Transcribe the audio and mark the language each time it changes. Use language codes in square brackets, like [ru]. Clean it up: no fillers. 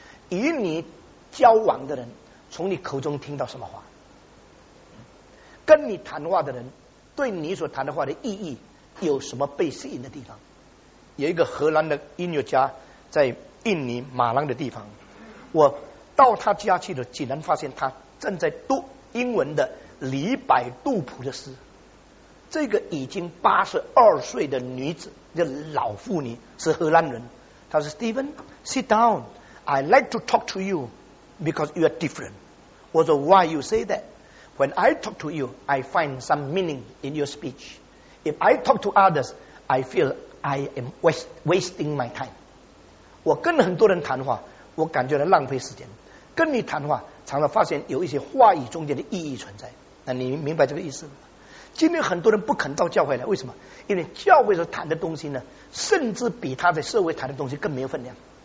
[zh] 与你交往的人从你口中听到什么话，跟你谈话的人对你所谈的话的意义有什么被吸引的地方。有一个荷兰的音乐家在印尼马朗的地方，我到他家去了，竟然发现他正在读英文的李白杜甫的诗。这个已经82岁的女子，这老妇女是荷兰人，她说 [en] Stephen sit down I like to talk to you because you are different. [zh] 我说 [en] why you say that? When I talk to you I find some meaning in your speech. If I talk to others I feel I am wasting my time. [zh] 我跟很多人谈话我感觉到浪费时间，跟你谈话常常发现有一些话语中间的意义存在。那你明白这个意思吗？今天很多人不肯到教会来，为什么？因为教会所谈的东西呢，甚至比他在社会谈的东西更没有分量。